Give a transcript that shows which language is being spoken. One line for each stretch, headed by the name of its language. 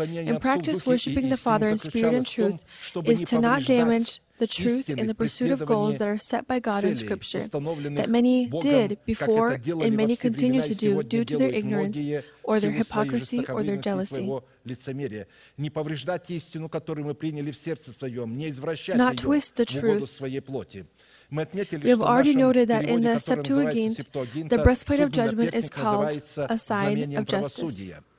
English: In practice, worshiping the Father in spirit and truth is to not damage the truth in the pursuit of goals that are set by God in Scripture, that many did before and many continue to do due to their ignorance or their hypocrisy or their jealousy.
Russian: Не повреждать истину, которую мы приняли в сердце своем, не извращать ее в угоду своей плоти.
English: We have already noted that in the Septuagint, the breastplate of judgment is called a sign of justice.